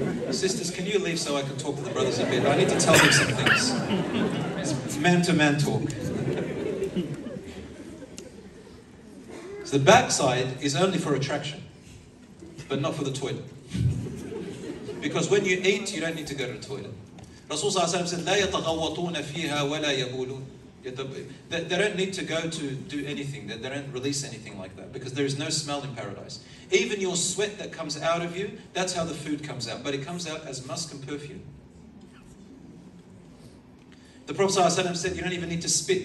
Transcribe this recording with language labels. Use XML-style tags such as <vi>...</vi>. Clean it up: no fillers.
<en>Sisters, can you leave so I can talk to the brothers a bit? I need to tell them some things. It's man-to-man talk. So the backside is only for attraction, but not for the toilet. Because when you eat, you don't need to go to the toilet. Rasulullah SAW said,</en> <ar>لَا يَتَغَوَّطُونَ فِيهَا وَلَا يَهُولُونَ.</ar> <en>They don't need to go to do anything. They don't release anything like that because there is no smell in paradise. Even your sweat that comes out of you, that's how the food comes out. But it comes out as musk and perfume. The Prophet ﷺ said, you don't even need to spit.</en>